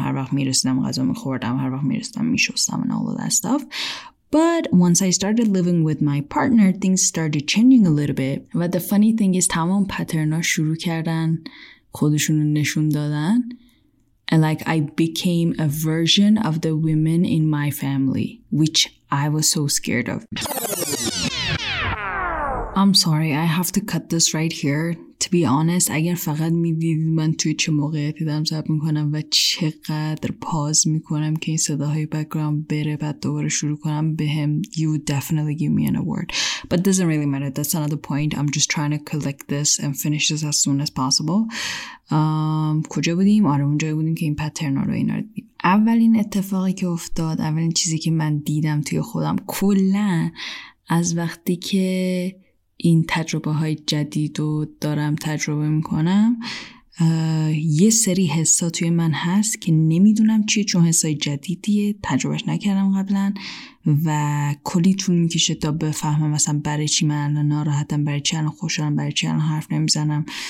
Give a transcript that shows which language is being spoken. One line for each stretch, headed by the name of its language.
Persian: هر وقت میرسیدم غذا میخوردم، هر وقت میرسیدم میشستم
English: and all of that stuff. But once I started living with my partner, things started changing a little bit.
Persian: و
English: the funny thing is
Persian: تمام پترنا شروع کردن خودشون رو نشون دادن.
English: And like I became a version of the women in my family, which I was so scared of. I'm sorry, I have to cut this right here. To be honest,
Persian: اگر فقط میدیدید من توی چه موقعیتی دارم ضبط میکنم و چقدر پاز میکنم که این صداهای بک‌گراند بره بعد دوباره شروع کنم بهم،
English: you would definitely give me an award. But doesn't really matter, that's another point. I'm just trying to collect this and finish this as soon as possible.
Persian: کجا بودیم؟ آره اونجایی بودیم که این پترنا رو اینا رو دیدیم. اولین اتفاقی که افتاد، اولین چیزی که من دیدم توی خودم کلن از وقتی که این تجربه های جدید رو دارم تجربه میکنم، یه سری حسا توی من هست که نمیدونم چیه، چون حسای جدیدیه، تجربهش نکردم قبلا و کلی طول میکشه تا بفهمم مثلا برای چی من الان ناراحتم، برای چی الان خوشحالم، برای چی الان حرف نمیزنم.